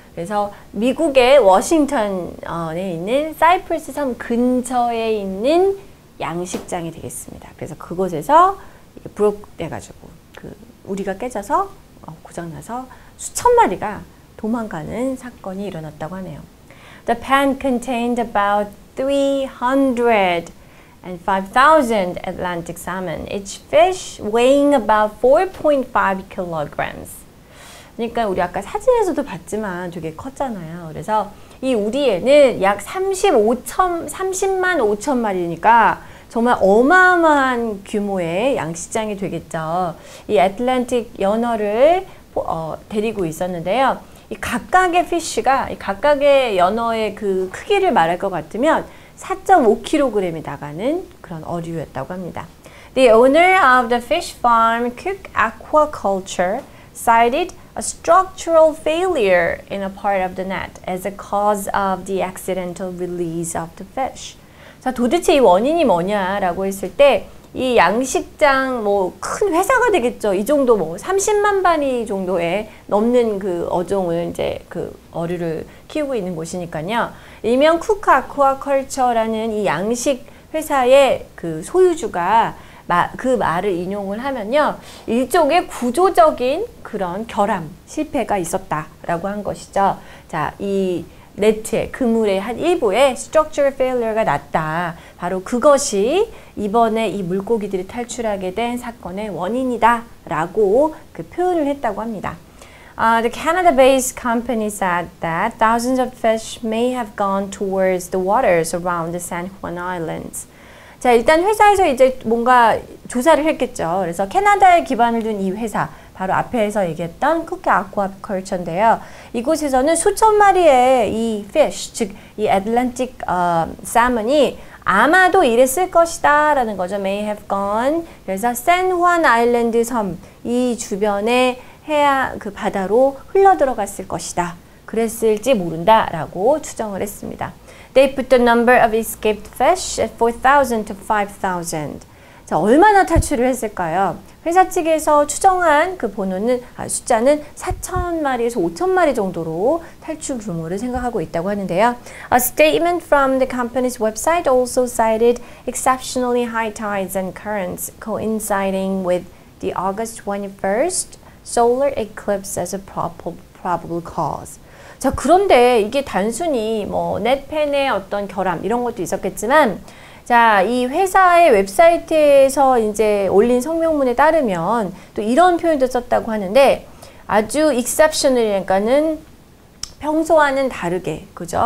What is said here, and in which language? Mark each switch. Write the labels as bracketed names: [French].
[Korean] 그래서 미국의 워싱턴에 있는 사이프러스 섬 근처에 있는 양식장이 되겠습니다. 그래서 그곳에서 브록 돼가지고 그 우리가 깨져서 고장나서 수천 마리가 도망가는 사건이 일어났다고 하네요. [English] The pen contained about 305,000 Atlantic salmon, each fish weighing about 4.5 kilograms. [Korean] 그러니까 우리 아까 사진에서도 봤지만 되게 컸잖아요. 그래서 이 우리에는 약 30만 5천 마리니까 정말 어마어마한 규모의 양식장이 되겠죠. 이 애틀랜틱 연어를 데리고 있었는데요. 이 각각의 피쉬가 이 각각의 연어의 그 크기를 말할 것 같으면 4.5kg이 나가는 그런 어류였다고 합니다. [English] The owner of the fish farm, Cook Aquaculture, cited a structural failure in a part of the net as a cause of the accidental release of the fish. [Korean] 자, 도대체 이 원인이 뭐냐라고 했을 때, 이 양식장, 뭐, 큰 회사가 되겠죠. 이 정도 뭐, 30만 마리 정도에 넘는 그 어종을 이제 그 어류를 키우고 있는 곳이니까요. 일명 쿠크 아쿠아컬처라는 이 양식 회사의 그 소유주가 그 말을 인용을 하면요. 일종의 구조적인 그런 결함, 실패가 있었다라고 한 것이죠. 자, 이 네트의 그물의 한 일부에 [English] structural failure [Korean] 가 났다. 바로 그것이 이번에 이 물고기들이 탈출하게 된 사건의 원인이다라고 그 표현을 했다고 합니다. [English] The Canada-based company said that thousands of fish may have gone towards the waters around the San Juan Islands. [Korean] 자, 일단 회사에서 이제 뭔가 조사를 했겠죠. 그래서 캐나다에 기반을 둔이 회사. 바로 앞에서 얘기했던 쿠키 아쿠아컬처인데요. 이곳에서는 수천 마리의 이 fish, 즉이 Atlantic salmon이 아마도 이랬을 것이다라는 거죠. [English] May have gone. [Korean] 그래서 샌후안 아일랜드 섬이 주변의 해안 그 바다로 흘러 들어갔을 것이다. 그랬을지 모른다라고 추정을 했습니다. [English] They put the number of escaped fish at 4,000 to 5,000. [Korean] 자, 얼마나 탈출을 했을까요? 회사 측에서 추정한 그 번호는 숫자는 4,000마리에서 5,000마리 정도로 탈출 규모를 생각하고 있다고 하는데요. [English] A statement from the company's website also cited exceptionally high tides and currents coinciding with the August 21st solar eclipse as a probable cause. [Korean] 자, 그런데 이게 단순히 뭐 넷펜의 어떤 결함 이런 것도 있었겠지만, 자, 이 회사의 웹사이트에서 이제 올린 성명문에 따르면 또 이런 표현도 썼다고 하는데, 아주 exceptional이니까는 평소와는 다르게, 그죠?